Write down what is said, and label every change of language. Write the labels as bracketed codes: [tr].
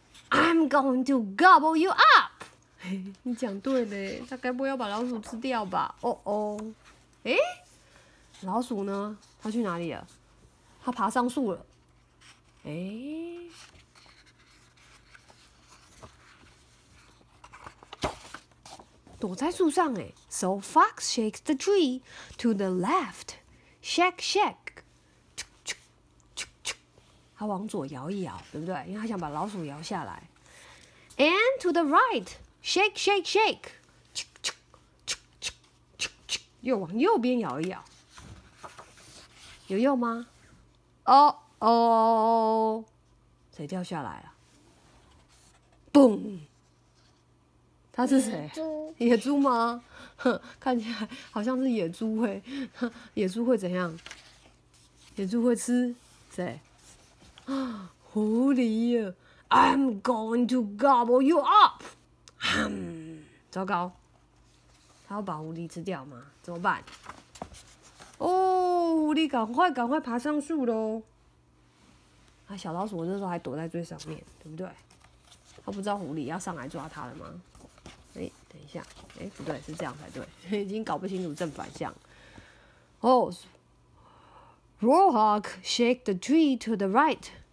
[en] I'm going to gobble you up. [zh] 你讲对了，他该不会要把老鼠吃掉吧？哦哦，诶，老鼠呢？他去哪里了？他爬上树了。诶，躲在树上诶。 [en] So Fox shakes the tree to the left. Shake, shake. [zh] 他往左摇一摇，对不对？因为他想把老鼠摇下来。 [en] And to the right. Shake, shake, shake. [zh] 又往右边摇一摇。有用吗？哦哦，谁掉下来了？嘣！他是谁？野猪吗？看起来好像是野猪会。野猪会怎样？野猪会吃谁？狐狸。 [en] I'm going to gobble you up. [zh] 糟糕，他要把狐狸吃掉吗？怎么办？哦，狐狸赶快赶快爬上树咯。啊，小老鼠那时候还躲在最上面，对不对？他不知道狐狸要上来抓他了吗？哎，等一下，哎，不对，是这样才对，已经搞不清楚正反向。 [en] Oh, Roehawk shake the tree to the right.